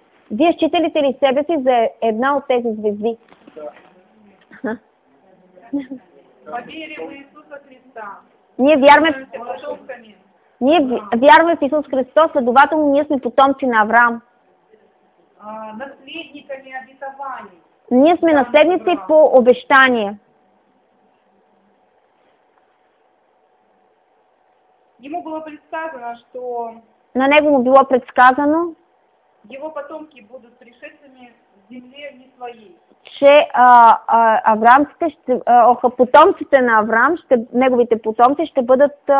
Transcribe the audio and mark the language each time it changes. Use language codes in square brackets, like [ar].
[bg] Вие считалите ли себе си за една от тези звезди? [ru] Да. Поверим в Исуса Христа. [bg] Ние вярваме... Ние вярваме в Исус Христос, следователно ние сме потомци на Авраам. [ru] Наследниками обетования. [bg] Ние сме наследници по обещание. [ru] Ему было предсказано, что... [bg] На него му било предсказано. [ru] Его потомки будут пришельцами в земле не своей. [bg] Че Авраамците ще... потомците на Авраам, ще, неговите потомци ще бъдат...